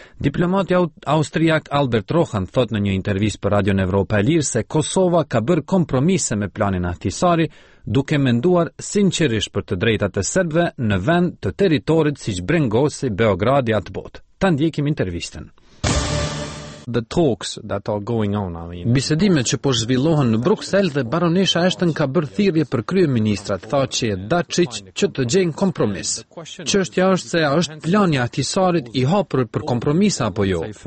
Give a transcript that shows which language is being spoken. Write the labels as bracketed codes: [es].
[sq] Diplomati austriak Albert Rohan thot në një intervistë për Radion Evropa e Lirë se Kosova ka bërë kompromise me planin Ahtisaari, duke menduar sinqerisht për të drejtat e serbëve në vend të territorit siç brengosi Beogradi atë botë. Ta ndjekim intervistën. [en] The talks that are going on, I mean. [sq] Bisedimet që po zhvillohen në Bruxelles dhe baronesha Ashton ka bërë thirrje për kryeministrat Thaçi e Dačić që të gjejnë kompromis. Çështja është se a është plani Ahtisaarit i hapur për kompromisa apo jo.